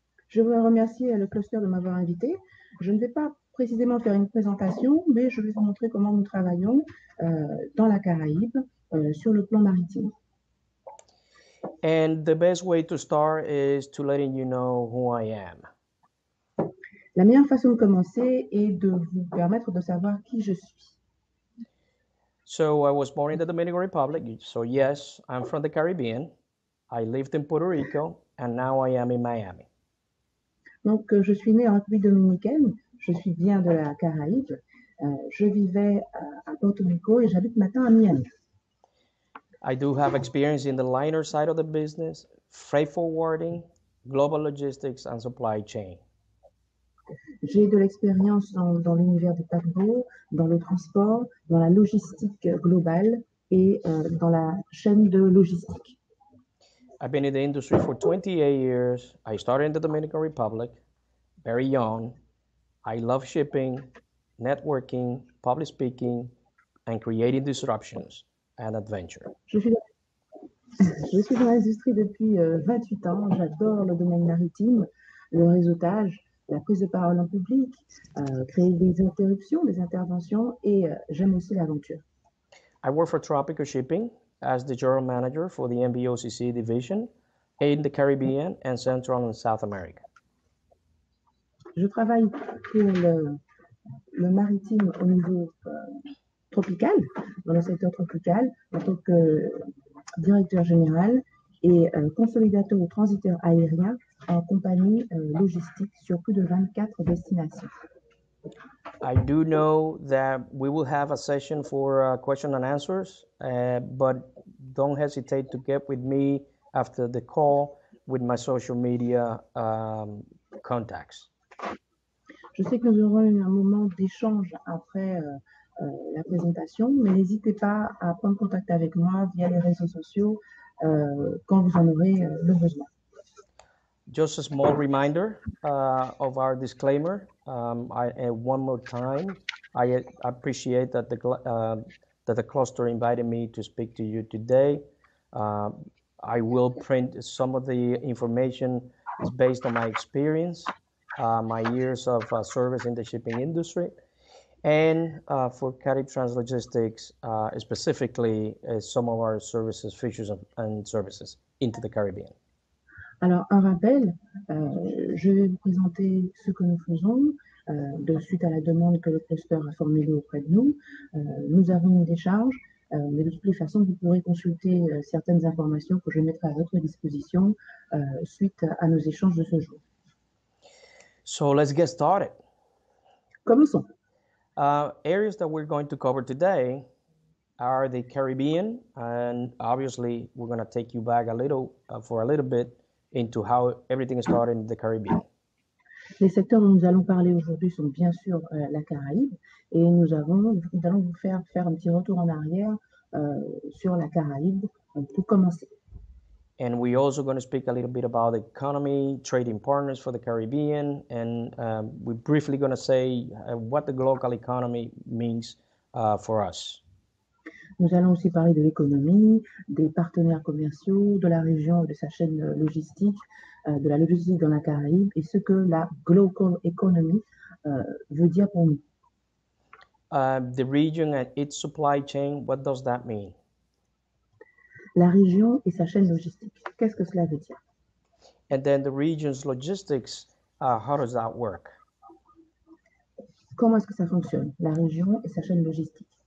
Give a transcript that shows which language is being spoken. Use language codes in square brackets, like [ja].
[fr] Je voudrais remercier le cluster de m'avoir invité. Je ne vais pas précisément faire une présentation, mais je vais vous montrer comment nous travaillons dans la Caraïbe sur le plan maritime. [en] And the best way to start is to letting you know who I am. [fr] La meilleure façon de commencer est de vous permettre de savoir qui je suis. [en] So I was born in the Dominican Republic. So yes, I'm from the Caribbean. I lived in Puerto Rico and now I am in Miami. [fr] Donc je suis né en République dominicaine, je suis bien de la Caraïbe. Je vivais à Porto Rico et j'habite maintenant à Miami. [en] I do have experience in the liner side of the business, freight forwarding, global logistics and supply chain. [fr] J'ai de l'expérience dans l'univers des paquebots, dans le transport, dans la logistique globale et dans la chaîne de logistique. [en] I've been in the industry for 28 years. I started in the Dominican Republic, very young. I love shipping, networking, public speaking, and creating disruptions and adventure. [fr] Je suis dans l'industrie depuis 28 ans. J'adore le domaine maritime, le réseautage, la prise de parole en public, créer des interruptions, des interventions, et j'aime aussi l'aventure. [en] I work for Tropical Shipping as the general manager for the MBOCC division in the Caribbean and Central and South America. [fr] Je travaille pour le maritime au niveau tropical, dans le secteur tropical, en tant que directeur général et consolidateur ou transiteur aérien en compagnie logistique sur plus de 24 destinations. [en] I do know that we will have a session for question and answers, but don't hesitate to get with me after the call with my social media contacts. [fr] Je sais que nous aurons un moment d'échange après la présentation, mais n'hésitez pas à prendre contact avec moi via les réseaux sociaux quand vous en aurez le besoin. [en] Just a small reminder of our disclaimer. One more time, I appreciate that the cluster invited me to speak to you today. I will print some of the information. It's based on my experience. my years of service in the shipping industry, and for Carib Trans Logistics, specifically some of our services, features of, and services into the Caribbean. [fr] Alors, un rappel, je vais vous présenter ce que nous faisons de suite à la demande que le cluster a formulée auprès de nous. Nous avons des charges, mais de toutes les façons, vous pourrez consulter certaines informations que je mettrai à votre disposition suite à nos échanges de ce jour. [en] So let's get started. [fr] Commençons. [en] Areas that we're going to cover today are the Caribbean, and obviously we're going to take you back a little for a little bit into how everything started in the Caribbean. [fr] Les secteurs dont nous allons parler aujourd'hui sont bien sûr la Caraïbe, et nous allons vous faire un petit retour en arrière sur la Caraïbe pour commencer. [en] And we're also going to speak a little bit about the economy, trading partners for the Caribbean, and we're briefly going to say what the local economy means for us. [fr] Nous allons aussi parler de l'économie, des partenaires commerciaux, de la région, de sa chaîne logistique, de la logistique dans la Caraïbe, et ce que la [en] global economy [fr] veut dire pour nous. [en] The region and its supply chain, what does that mean? [fr] La région et sa chaîne logistique. Qu'est-ce que cela veut dire? [en] And then the region's logistics, how does that work? [fr] Comment est-ce que ça fonctionne, la région et sa chaîne logistique?